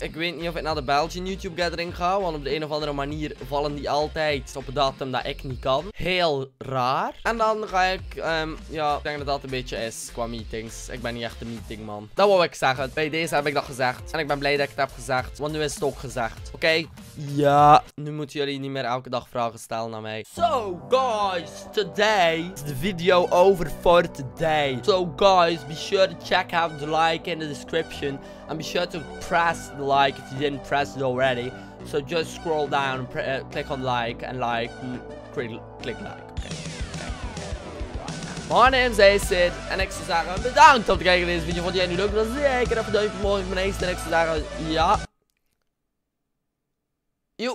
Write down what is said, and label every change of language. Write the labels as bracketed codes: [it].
[nl] Ik weet niet of ik naar de Belgian YouTube Gathering ga, want op de een of andere manier vallen die altijd op een datum dat ik niet kan. Heel raar. En dan ga ik, ik denk dat dat een beetje is qua meetings. Ik ben niet echt een meeting man. Dat wou ik zeggen. Bij deze heb ik dat gezegd. En ik ben blij dat ik het heb gezegd. Want nu is het ook gezegd. Oké? Ja. Nu moeten jullie niet meer elke dag vragen stellen naar mij. [en] So guys, today is the video over for today. So guys, be sure to check out the like in the description. And be sure to press the like if you didn't press it already. So just scroll down and click on like. And like, click like. [nl] Mijn naam is Aceit en ik zou zeggen bedankt om te kijken naar deze video. Vond jij nu leuk? Dan zeker even duimpje omhoog. Ik ben Aceit en ik zou zeggen ja. Joep.